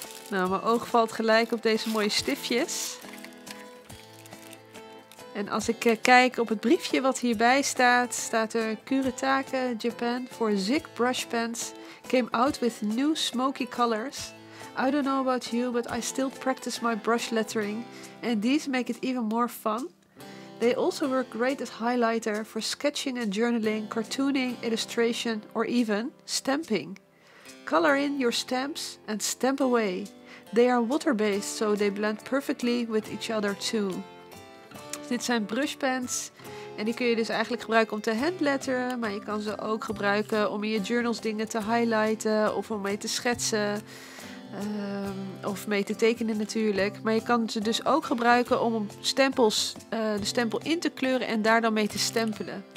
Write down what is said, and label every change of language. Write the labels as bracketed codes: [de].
[nl] Nou, mijn oog valt gelijk op deze mooie stiftjes. En als ik kijk op het briefje wat hierbij staat, staat er [en] Kuretake Japan for Zig brush pens came out with new smoky colors. I don't know about you, but I still practice my brush lettering and these make it even more fun. They also work great as highlighter for sketching and journaling, cartooning, illustration or even stamping. Color in your stamps and stamp away. They are water-based, so they blend perfectly with each other too. [nl] Dit zijn brush pens en die kun je dus eigenlijk gebruiken om te handletteren, maar je kan ze ook gebruiken om in je journals dingen te highlighten of om mee te schetsen of mee te tekenen natuurlijk. Maar je kan ze dus ook gebruiken om stempels, de stempel in te kleuren en daar dan mee te stempelen.